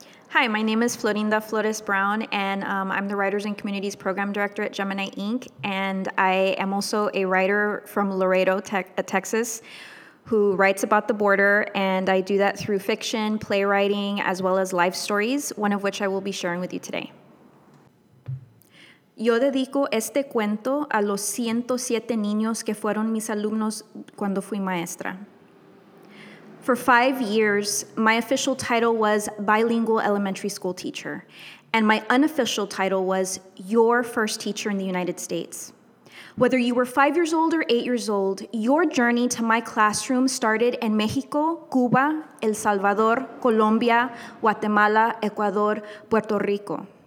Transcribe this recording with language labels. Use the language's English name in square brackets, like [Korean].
[English] Hi, my name is Florinda Flores Brown, and I'm the Writers and Communities Program Director at Gemini Inc., and I am also a writer from Laredo, Texas, who writes about the border, and I do that through fiction, playwriting, as well as life stories, one of which I will be sharing with you today. [Spanish] Yo dedico este cuento a los 107 niños que fueron mis alumnos cuando fui maestra. [English] For 5 years, my official title was bilingual elementary school teacher, and my unofficial title was your first teacher in the United States. Whether you were 5 years old or 8 years old, your journey to my classroom started in Mexico, Cuba, El Salvador, Colombia, Guatemala, Ecuador, Puerto Rico.